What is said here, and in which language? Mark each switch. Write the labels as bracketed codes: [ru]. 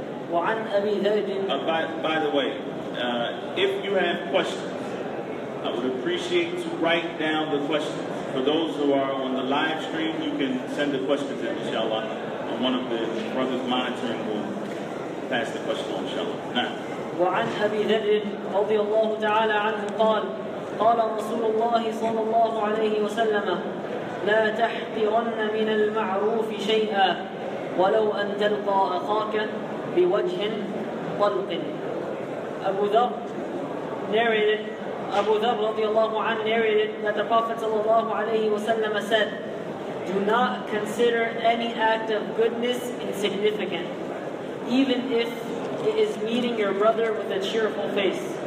[en] By the way, if you have questions, I would appreciate to write down the questions. For those who are on the live stream, you can send the questions in, inshallah. And one of the brothers monitoring will pass the question on, inshallah. Now. [ar] وعن أبي ذر رضي الله تعالى عنه قال قال رسول الله صلى الله عليه وسلم لا تحقرن من المعروف شيئا ولو أن تلقى أخاك بوجه طلق. [en] أبو ذر [ar] رضي الله عنه [en] narrated that the Prophet [ar] صلى الله عليه وسلم [en] said, do not consider any act of goodness insignificant, even if it is meeting your brother with a cheerful face.